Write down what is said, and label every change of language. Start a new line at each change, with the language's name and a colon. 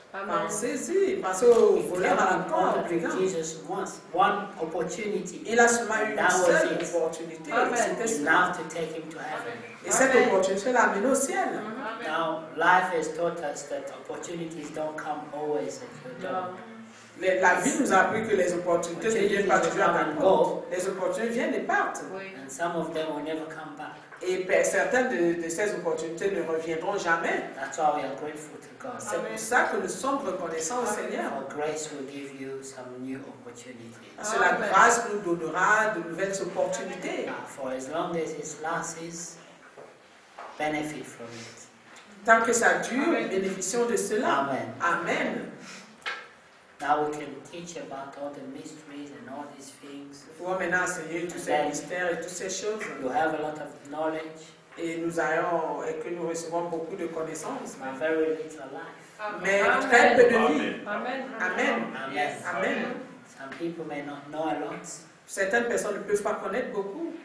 French: Pensez-y, pensez au voleur à la croix.
English: One opportunity.
French: Il a seulement eu une seule opportunité.
English: Now to take him to heaven.
French: Et cette opportunité l'a amené au ciel.
English: Now life has taught us that opportunities don't come always at your door.
French: La vie nous a appris que les opportunités ne viennent pas toujours à ta porte. Les opportunités viennent et partent.
English: And some of them will never come back.
French: Et certaines de ces opportunités ne reviendront jamais.
English: That's why we are grateful to God.
French: C'est Amen. Pour ça que nous sommes reconnaissants au Seigneur.
English: Our grace will give you some new opportunities.
French: Parce que la grâce nous donnera de nouvelles opportunités.
English: For as long as it lasts, benefit from it.
French: Tant que ça dure, bénéficions de cela. Amen. Amen.
English: Now we can teach about all the mysteries and all these things.
French: Pour maintenant enseigner tous ces mystères et toutes ces choses.
English: You have a lot of knowledge.
French: Et que nous recevons beaucoup de connaissances.
English: My very little life.
French: Mais très peu de vie. Amen. Amen. Amen.
English: Yes. Amen. Some people may not know a lot.
French: Certaines personnes ne peuvent pas connaître beaucoup.